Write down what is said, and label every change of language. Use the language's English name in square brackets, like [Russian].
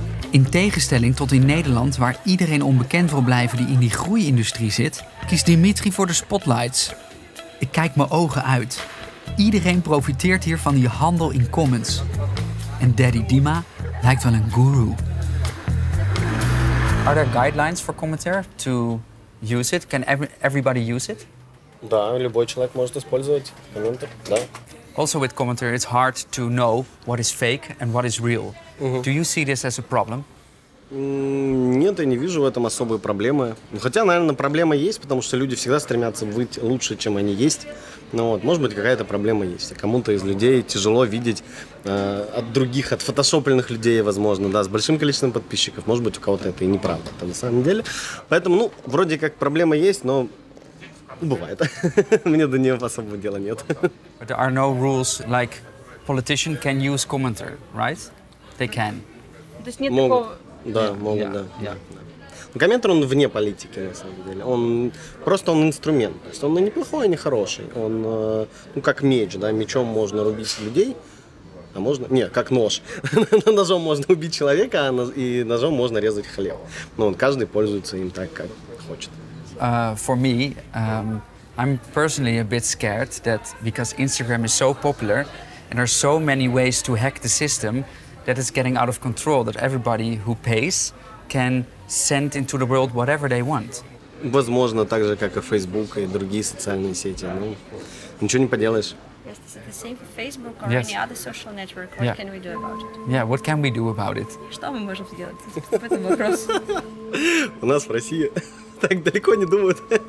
[Dutch] In tegenstelling tot in Nederland, waar iedereen onbekend wil blijven die in die groeiindustrie zit, kiest Dimitri voor de spotlights. Ik kijk mijn ogen uit. Iedereen profiteert hier van die handel in comments. En Daddy Dima lijkt wel een guru. [English] Are there guidelines for commentary to use it? Can everybody use it? [Russian] Да, любой человек может использовать комментарий, да. [English] Also with commentary, it's hard to know what is fake and what is real. Mm-hmm. Do you see this as a problem? [Russian] Нет, я не вижу в этом особой проблемы. Хотя, наверное, проблема есть, потому что люди всегда стремятся быть лучше, чем они есть. Ну вот, может быть, какая-то проблема есть. Кому-то из людей тяжело видеть от других, от фотошопленных людей, возможно, да, с большим количеством подписчиков. Может быть, у кого-то это и неправда, это на самом деле. Поэтому, ну, вроде как проблема есть, но бывает. Мне до нее особого дела нет. [English] But there are no rules, like politician can use commenter, right? They can. [Russian] То есть нет такого... Да, могут, да. Комментатор, он вне политики, на самом деле. Он просто он инструмент. То есть он и неплохой, и не хороший. Он, ну, как меч, да, мечом можно рубить людей, а можно... Нет, как нож. Ножом можно убить человека, и ножом можно резать хлеб. Но он каждый пользуется им так, как хочет. [English] For me, I'm personally a bit scared that because Instagram is so popular and there are so many ways to hack the system, that it's getting out of control, that everybody who pays can send into the world whatever they want. [Russian] Возможно, так же, как и Facebook и другие социальные сети. Ну, ничего не поделаешь. [English] Yes, is it the same for Facebook or any other social network? What can we do about it? Yeah, what can we do about it? [Russian] Что мы можем сделать? У нас в России так далеко не думают.